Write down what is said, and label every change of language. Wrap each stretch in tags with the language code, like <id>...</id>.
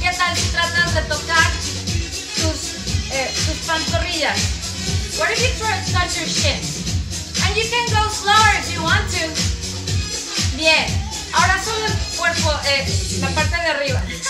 <es>¿Qué tal si tratas de tocar tus, tus pantorrillas?</es> <en>What if you try to touch your shins? And you can go slower if you want to.</en> <es>Bien, ahora solo el cuerpo, la parte de arriba.</es>